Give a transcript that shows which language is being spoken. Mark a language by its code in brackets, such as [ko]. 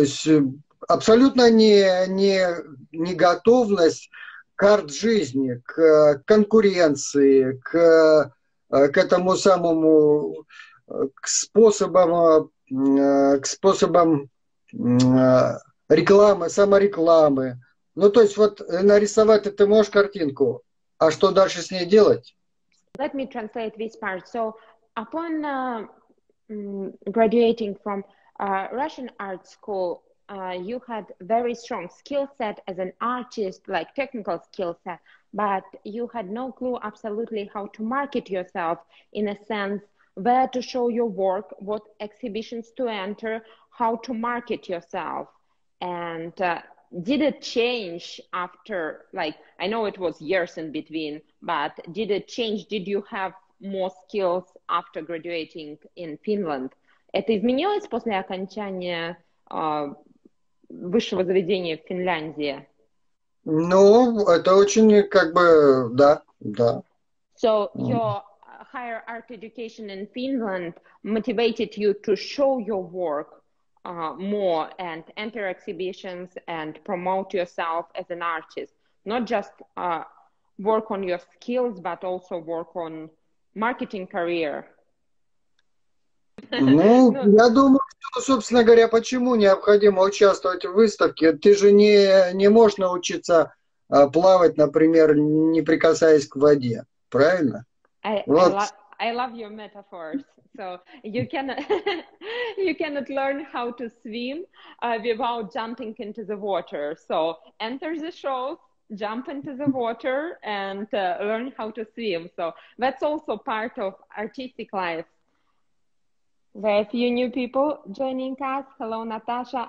[ru] То есть абсолютно не готовность к арт-жизни, к конкуренции, к этому самому, к способам рекламы, саморекламы. Ну, то есть вот нарисовать ты можешь картинку, а что дальше с ней делать? [en] Let me translate this part. So, upon graduating from Russian art school, you had very strong skill set as an artist, like technical skill set, but you had no clue absolutely how to market yourself, in a sense, where to show your work, what exhibitions to enter, how to market yourself. And did it change after, like, I know it was years in between, but did it change? Did you have more skills after graduating in Finland? [ru] Это изменилось после окончания высшего заведения в Финляндии? Ну, это очень, как бы, да, да. [en] So your higher art education in Finland motivated you to show your work more and enter exhibitions and promote yourself as an artist, not just work on your skills, but also work on marketing career. [ru] Ну, я думаю, что, собственно говоря, почему необходимо участвовать в выставке? Ты же не можешь научиться плавать, например, не прикасаясь к воде, правильно? [en] I love your metaphors. So you cannot learn how to swim without jumping into the water. So enter the show, jump into the water and learn how to swim. So that's also part of artistic life. There are a few new people joining us. Hello, Natasha.